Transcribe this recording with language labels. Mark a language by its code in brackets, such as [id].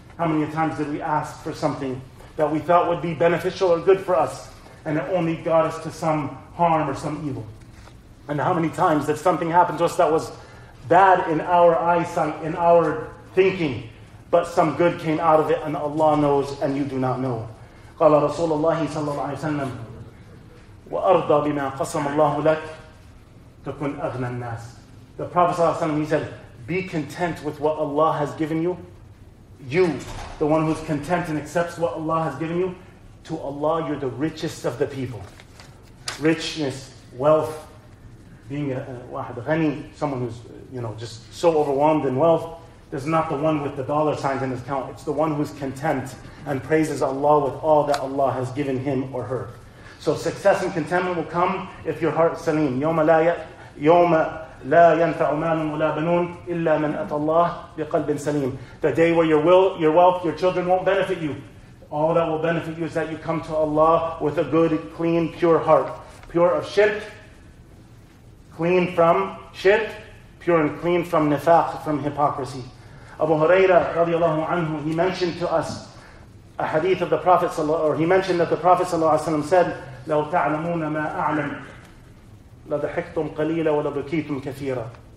[en] How many times did we ask for something that we thought would be beneficial or good for us, and it only got us to some harm or some evil? And how many times did something happen to us that was bad in our eyesight, in our thinking, but some good came out of it, and Allah knows and you do not know? [ar] قال رسول الله صلى الله عليه وسلم وأرضى بما قسم الله لك تكون أغنى الناس. [en] The Prophet ﷺ, he said, be content with what Allah has given you. You, the one who's content and accepts what Allah has given you, to Allah, you're the richest of the people. Richness, wealth, being a wahid ghani, someone who's, you know, just so overwhelmed in wealth, this is not the one with the dollar signs in his account. It's the one who's content and praises Allah with all that Allah has given him or her. So success and contentment will come if your heart is saleem. [ar] يَوْمَ لَا يَوْمَ لا ينفع مال ولا بنون إلا من أتى الله بقلب سليم. [en] The day where your will, your wealth, your children won't benefit you. All that will benefit you is that you come to Allah with a good, clean, pure heart. Pure of shirk, clean from shirk, pure and clean from nifaq, from hypocrisy. Abu Huraira radiallahu anhu, he mentioned to us a hadith of the Prophet, or he mentioned that the Prophet said, [ar] لو تعلمون ما أعلم لَضَحِكْتُمْ قَلِيلًا وَلَبُكِيتُمْ كَثِيرًا.